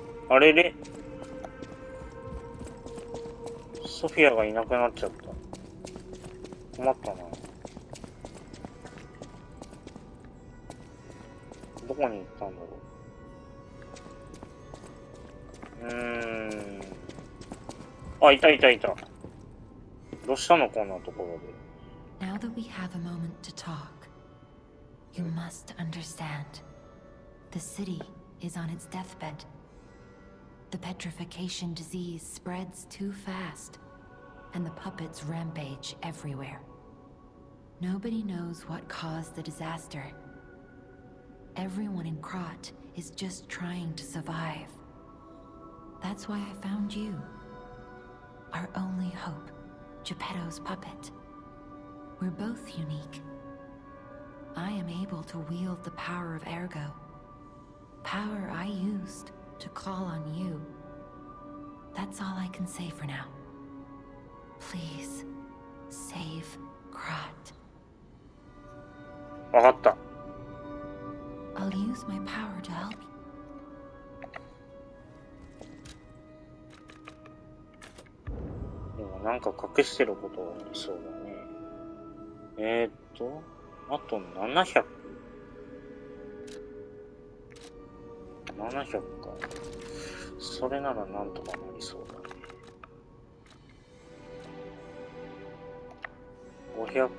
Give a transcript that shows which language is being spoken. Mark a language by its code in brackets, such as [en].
[ja] あれれ、ソフィアがいなくなっちゃった。困ったな。どこに行ったんだろう。あ、いたいたいた。どうしたのこんなところで。 [en] Now that we have a moment to talk. You must understand. The city is on its deathbed. The petrification disease spreads too fast, and the puppets rampage everywhere. Nobody knows what caused the disaster. Everyone in Krat is just trying to survive. That's why I found you. Our only hope, Geppetto's puppet. We're both unique. I am able to wield the power of Ergo. Power I used to call on you. That's all I can say for now. Please, save Krat. [ja] わかった。 [en] I'll use my power to help you. [ja] でもなんか隠してることはありそうだね。あと700か。それならなんとかなりそうだね。